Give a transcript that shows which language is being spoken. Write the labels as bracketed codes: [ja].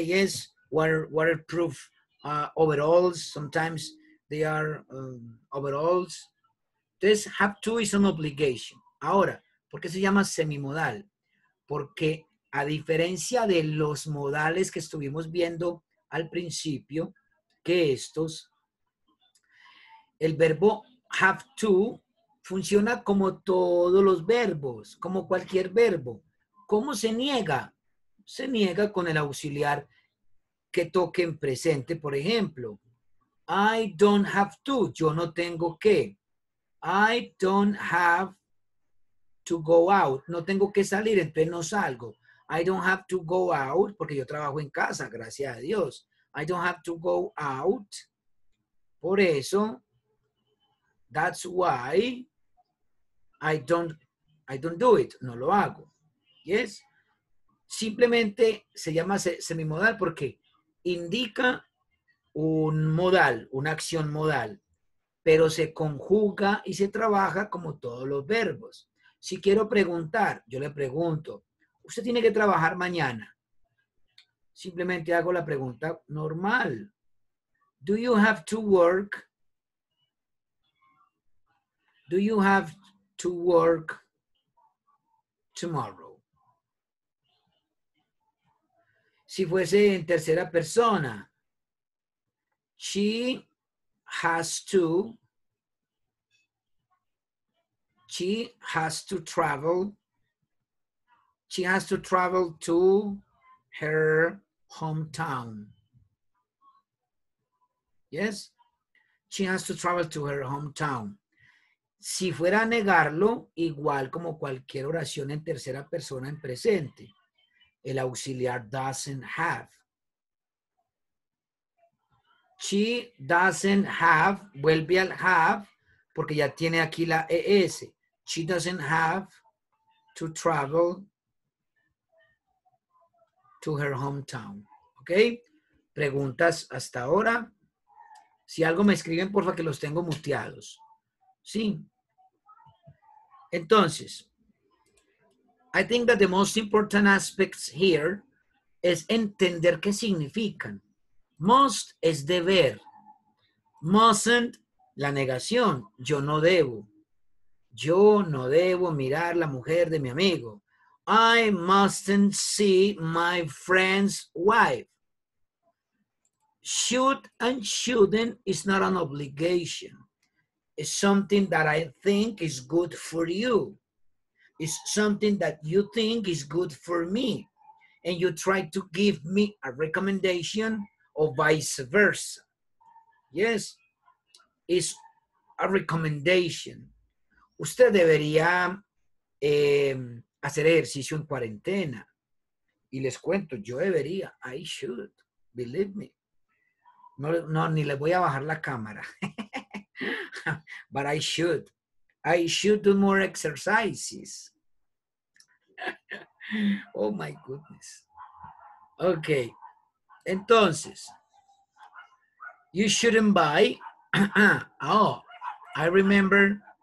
[en] Yes, waterproof overalls sometimes. They are overalls. This have to is an obligation. [es] Ahora, ¿por qué se llama semimodal? Porque a diferencia de los modales que estuvimos viendo al principio, que estos, el verbo have to funciona como todos los verbos, como cualquier verbo. ¿Cómo se niega? Se niega con el auxiliar que toque en presente, por ejemplo. [en] I don't have to. [es] Yo no tengo que. [en] I don't have to go out. [es] No tengo que salir, entonces no salgo. [en] I don't have to go out [es] porque yo trabajo en casa, gracias a Dios. [en] I don't have to go out. [es] Por eso, [en] that's why I don't do it. [es] No lo hago. [en] Yes? [es] Simplemente se llama semimodal porque indica un modal, una acción modal. pero se conjuga y se trabaja como todos los verbos. Si quiero preguntar, yo le pregunto, ¿usted tiene que trabajar mañana? Simplemente hago la pregunta normal. [en] Do you have to work? Do you have to work tomorrow? [es] Si fuese en tercera persona, [en] she has to, she has to travel, she has to travel to her hometown. Yes, she has to travel to her hometown. [es] Si fuera a negarlo, igual como cualquier oración en tercera persona en presente, el auxiliar doesn't have. She doesn't have, vuelve al have, porque ya tiene aquí la ES. [en] She doesn't have to travel to her hometown. [es] ¿Ok? ¿Preguntas hasta ahora? Si algo me escriben, porfa, que los tengo muteados. Sí. Entonces, [en] I think that the most important aspects here [es] es entender qué significan. Must es deber. Mustn't, la negación. Yo no debo. Yo no debo mirar la mujer de mi amigo. [en] I mustn't see my friend's wife. Should and shouldn't is not an obligation. It's something that I think is good for you. It's something that you think is good for me. And you try to give me a recommendation or vice versa. Yes, it's a recommendation. [es] Usted debería hacer ejercicio en cuarentena. Y les cuento, yo debería. [en] I should, believe me. [es] No, ni le voy a bajar la cámara. [en] But I should. I should do more exercises. Oh, my goodness. Okay. Entonces, you shouldn't buy. Oh, I remember.